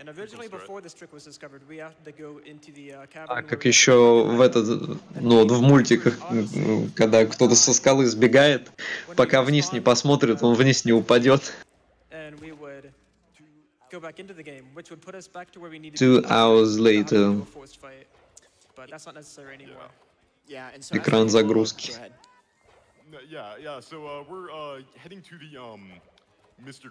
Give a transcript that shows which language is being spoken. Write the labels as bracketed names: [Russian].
[English] And originally, before this trick was discovered, we had to go into the cavern. [Russian] А как еще в этот, ну вот в мультиках, когда кто-то со скалы сбегает, пока вниз не посмотрит, он вниз не упадет. [English] And we would go back into the game, which would put us back to where we needed. 2 hours later. But that's not necessary anymore. Yeah. [Russian] Экран загрузки. [English] Yeah. So we're heading to the Mr.